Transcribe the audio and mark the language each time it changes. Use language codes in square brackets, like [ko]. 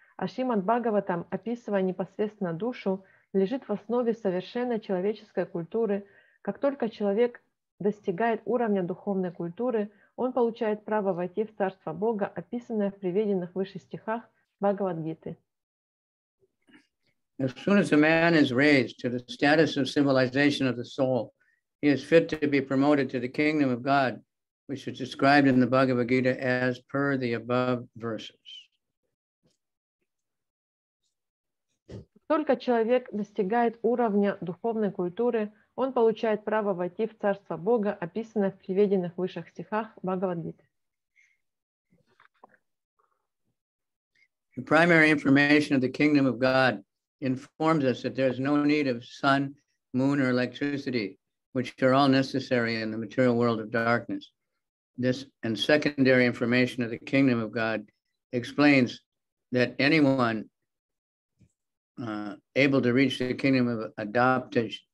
[ru] А Шримад-Бхагаватам, описывая непосредственно душу, лежит в основе совершенной человеческой культуры. Как только человек достигает уровня духовной культуры, он получает право войти в царство Бога, описанное в приведенных выше стихах Бхагавад-гиты. [en] As soon as a man is raised to the status of civilization of the soul, he is fit to be promoted to the kingdom of God, which is described in the Bhagavad-gita as per the above verses. [ru] Как только человек достигает уровня духовной культуры, он получает право войти в царство Бога, описанное в приведенных выше стихах Бхагавад-гиты. [en] The primary information of the kingdom of God informs us that there is no need of sun, moon, or electricity, which are all necessary in the material world of darkness. This and secondary information of the kingdom of God explains that anyone able to reach the kingdom of adoption